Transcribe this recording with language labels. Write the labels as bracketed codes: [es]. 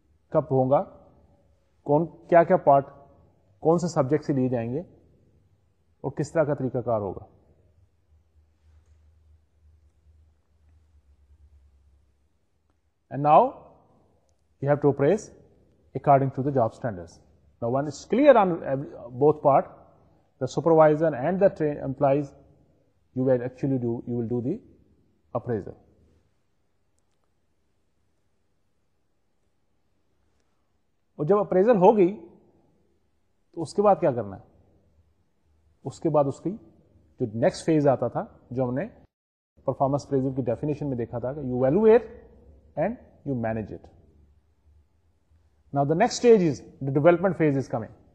[ur] کب ہوں گا, کون کیا کیا پارٹ کون سے سبجیکٹ سے لیے جائیں گے اور کس طرح کا طریقہ کار ہوگا. [en] And now you have to appraise according to the job standard. Now one is clear on both part, the supervisor and the employees, you will actually do, you will do the appraisal. [ur] اور جب appraisal ہو گئی تو اس کے بعد کیا کرنا ہے؟ اس کے بعد اس کی جو نیکسٹ فیز آتا تھا, جو ہم نے پرفارمنس اپریزل کی ڈیفینیشن میں دیکھا تھا کہ [en] You evaluate and you manage it. Now the next stage is the development phase is coming.